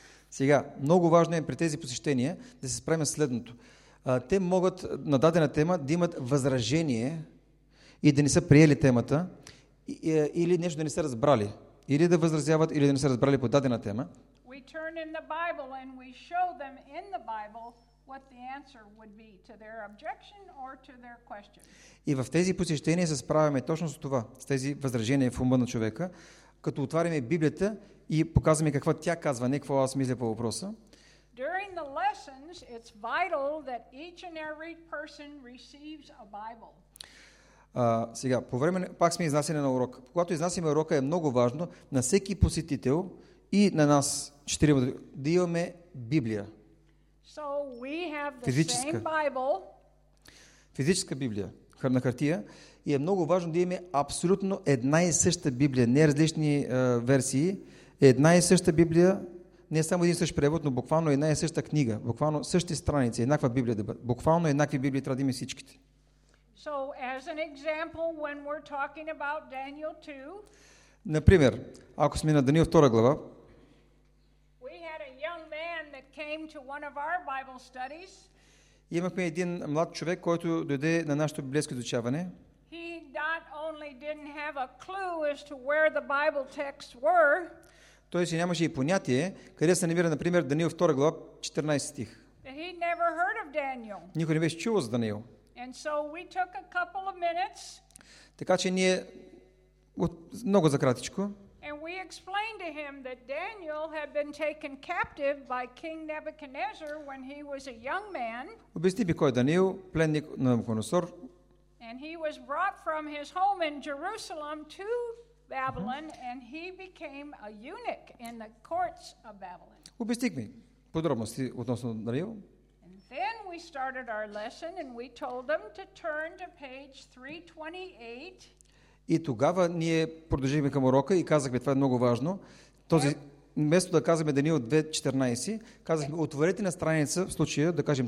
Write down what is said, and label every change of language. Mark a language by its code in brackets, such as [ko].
[bg] Сега, много важно е при тези посещения да се справим с следното. Те могат на дадена тема да имат възражение и да не са приели темата или нещо да не са разбрали. Или да възразяват, или да не са разбрали по дадена тема. [en] Turn in the Bible and we show them in the Bible what the answer would be to their objection or to their question. [bg] И в тези посещения се справяме точно с това, с тези възражения в ума на човека, като отваряме Библията и показваме какво тя казва, не какво аз мисля по въпроса. [en] During the lessons, it's vital that each and every person receives a Bible. [bg] Сега, по време пак сме изнасяне на урок. Когато изнасяме урока, е много важно на всеки посетител и на нас четирима да имаме Библия. [en] So we have the same Bible. [bg] Физическа Библия на хартия И е много важно да имаме абсолютно една и съща Библия, не различни версии, една и съща Библия, не само един същ превод, но буквално една и съща книга, буквално същи страници, еднаква Библия, буквално еднакви Библии трябва да имаме всичките. [en] So, as an example, when we're talking about Daniel 2, [bg] например, ако сме на Даниил 2 глава, [en] we had a young man that came to one of our Bible studies. [bg] Имахме един млад човек, който дойде на нашето библейско изучаване. [en] He not only didn't have a clue as to where the Bible texts were. [bg] Той си нямаше и понятие къде се намира, например, Даниил 2 глава, 14 стих. [en] He never heard of Daniel. [bg] Никой не беше чувал за Даниил. [en] And so we took a couple of minutes. [bg] Така че ние много за кратичко. [en] And we explained to him that Daniel had been taken captive by King Nebuchadnezzar when he was a young man. [bg] Обясни ми кой е Даниил, пленник на Навуходоносор. [en] And he was brought from his home in Jerusalem to Babylon and he became a eunuch in the courts of Babylon. [bg] Обясни ми подробности относно Даниил. [en] Then we started our lesson and we told them to turn to page 328. [bg] И тогава ние продължихме към урока и казахме, това е много важно. Този, вместо да казваме Даниил 2:14, казахме, отворете на страница, в случая, да кажем